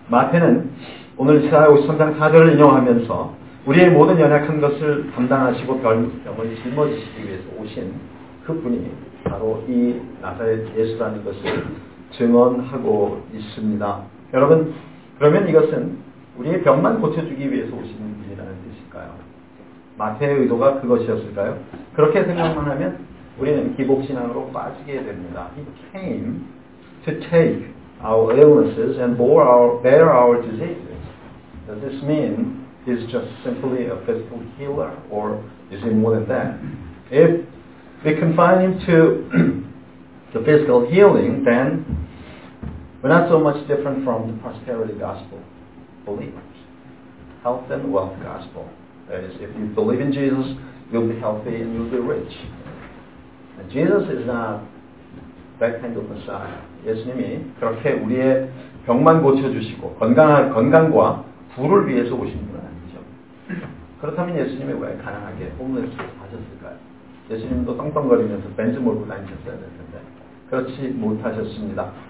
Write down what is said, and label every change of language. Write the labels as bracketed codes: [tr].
[ko] 마태는 오늘 이사야 53장 4절을 인용하면서 우리의 모든 연약한 것을 담당하시고 별명을 짊어지시기 위해서 오신 그분이 바로 이 나사렛 예수라는 것을 증언하고 있습니다. 여러분, 그러면 이것은 우리의 병만 고쳐주기 위해서 오신 분이라는 뜻일까요? 마태의 의도가 그것이었을까요? 그렇게 생각만 하면 우리는 기복신앙으로 빠지게 됩니다. [en] He came to take our illnesses and bear our diseases. Does this mean he's just simply a physical healer? Or is he more than that? If we confine him to the physical healing, then we're not so much different from the prosperity gospel believers. Health and wealth gospel. That is, if you believe in Jesus, you'll be healthy and you'll be rich. And Jesus is not that kind of Messiah. [ko] 예수님이 그렇게 우리의 병만 고쳐주시고 건강과 부를 위해서 오신 분은 아니죠. 그렇다면 예수님이 왜 가난하게 홈리스에서 가셨을까요? 예수님도 떵떵거리면서 벤츠 몰고 다니셨어야 될 텐데 그렇지 못하셨습니다.